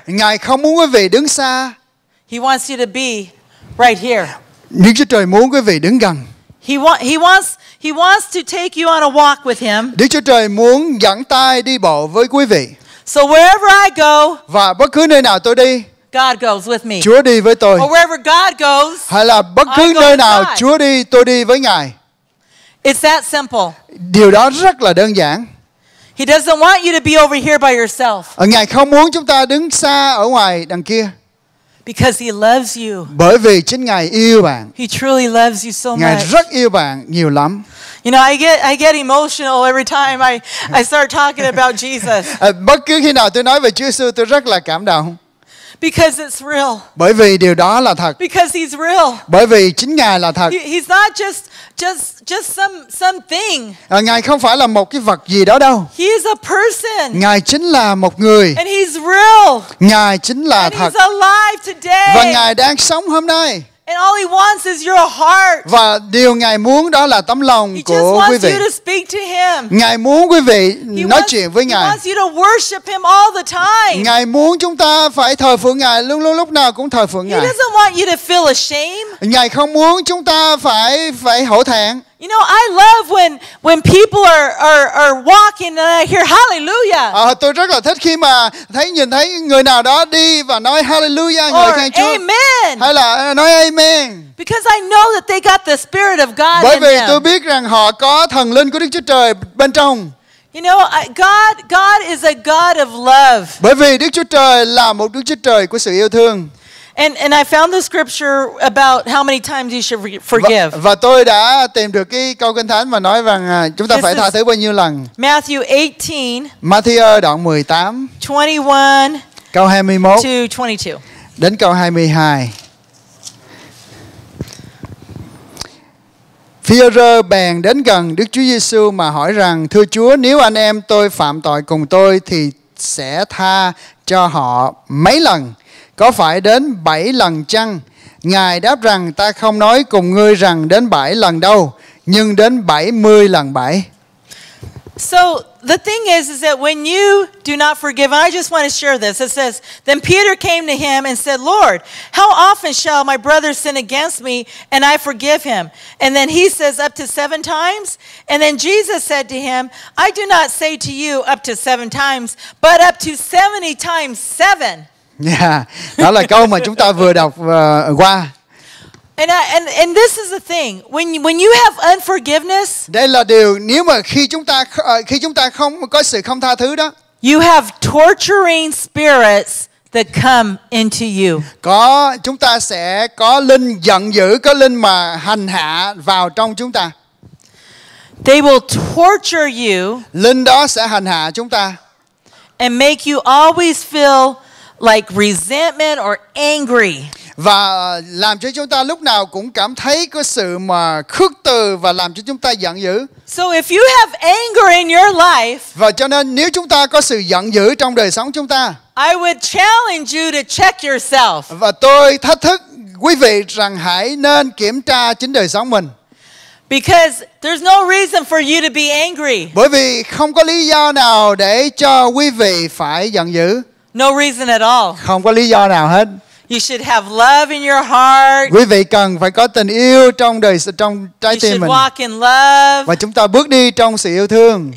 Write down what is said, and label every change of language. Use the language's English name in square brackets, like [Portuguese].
[Vietnamese] Ngài không muốn quý vị đứng xa. [English] He wants you to be right here. [Vietnamese] Đức Chúa Trời muốn quý vị đứng gần. [English] He wants to take you on a walk with Him. [Vietnamese] Đức Chúa Trời muốn dẫn tay đi bộ với quý vị. [English] So wherever I go. [Vietnamese] Và bất cứ nơi nào tôi đi. [English] God goes with me. [Vietnamese] Chúa đi với tôi. [English] Or wherever God goes. [Vietnamese] Hay là bất cứ nơi nào Chúa đi, tôi đi với Ngài. [English] It's that simple. [Vietnamese] Điều đó rất là đơn giản. [English] He doesn't want you to be over here by yourself. [Vietnamese] Ngài không muốn chúng ta đứng xa ở ngoài đằng kia. [English] Because He loves you. [Vietnamese] Bởi vì chính Ngài yêu bạn. [English] He truly loves you so much. [Vietnamese] Ngài rất yêu bạn nhiều lắm. [English] You know, I get emotional every time I start talking about Jesus. [Vietnamese] Bất cứ khi nào tôi nói về Chúa Jesus, tôi rất là cảm động. [English] Because it's real. [Vietnamese] Bởi vì điều đó là thật. [English] Because He's real. [Vietnamese] Bởi vì chính Ngài là thật. [English] He's not just something. [Vietnamese] Ngài không phải là một cái vật gì đó đâu. [English] He is a person. [Vietnamese] Ngài chính là một người. [English] And He's real. [Vietnamese] Ngài chính là [English] And [Vietnamese] thật. [English] He's alive today. [Vietnamese] Và Ngài đang sống hôm nay. [English] And all he wants is your heart. [Vietnamese] Và điều Ngài muốn đó là tấm lòng của quý vị. [English] He just wants you to speak to him. [Vietnamese] Ngài muốn quý vị nói chuyện với Ngài. [English] He wants you to worship him all the time. [Vietnamese] Ngài muốn chúng ta phải thờ phượng Ngài luôn luôn, lúc nào cũng thờ phượng Ngài. [English] He doesn't want you to feel ashamed. [Vietnamese] Ngài không muốn chúng ta phải hổ thẹn. [English] You know, I love when people are walking and I hear hallelujah. [Vietnamese] Tôi rất là thích khi mà nhìn thấy người nào đó đi và nói hallelujah, ngợi khen Chúa. [English] Amen. [Vietnamese] Hay là nói amen. [English] Because I know that they got the Spirit of God in them. [Vietnamese] Bởi vì tôi biết rằng họ có thần linh của Đức Chúa Trời bên trong. [English] You know, God is a God of love. [Vietnamese] Bởi vì Đức Chúa Trời là một Đức Chúa Trời của sự yêu thương. [English] And I found the scripture about how many times you should forgive. [Vietnamese] Và tôi đã tìm được cái câu kinh thánh mà nói rằng chúng ta phải tha thứ bao nhiêu lần. [English] Matthew 18. [Vietnamese] Matthew đoạn 18. [English] 21. [Vietnamese] Câu 21. [English] To 22. [Vietnamese] Đến câu 22. Phi-e-rơ bèn đến gần Đức Chúa Giê-su mà hỏi rằng: Thưa Chúa, nếu anh em tôi phạm tội cùng tôi thì sẽ tha cho họ mấy lần? Có phải đến 7 lần chăng? Ngài đáp rằng: Ta không nói cùng ngươi rằng đến 7 lần đâu, nhưng đến 70 lần 7. [English] So the thing is that when you do not forgive, and I just want to share this. It says, then Peter came to him and said, Lord, how often shall my brother sin against me and I forgive him? And then he says, up to 7 times. And then Jesus said to him, I do not say to you up to 7 times, but up to 70 times 7. [Vietnamese] Yeah, đó là câu mà chúng ta vừa đọc qua. [English] And this is the thing. When you have unforgiveness, [Vietnamese] đây là điều nếu mà khi chúng ta không có sự không tha thứ đó. [English] You have torturing spirits that come into you. [Vietnamese] Có, chúng ta sẽ có linh giận dữ, có linh mà hành hạ vào trong chúng ta. [English] They will torture you. [Vietnamese] Linh đó sẽ hành hạ chúng ta. [English] And make you always feel like resentment or angry. [Vietnamese] Và làm cho chúng ta lúc nào cũng cảm thấy có sự mà khước từ và làm cho chúng ta giận dữ. [English] So if you have anger in your life, [Vietnamese] và cho nên nếu chúng ta có sự giận dữ trong đời sống chúng ta, [English] I would challenge you to check yourself. [Vietnamese] Và tôi thách thức quý vị rằng hãy nên kiểm tra chính đời sống mình. [English] Because there's no reason for you to be angry. [Vietnamese] Bởi vì không có lý do nào để cho quý vị phải giận dữ. [English] No reason at all. [Vietnamese] Không có lý do nào hết. [English] You should have love in your heart. [Vietnamese] Quý vị cần phải có tình yêu trong đời, trong trái tim mình. [English] You should walk in love. [Vietnamese] Và chúng ta bước đi trong sự yêu thương.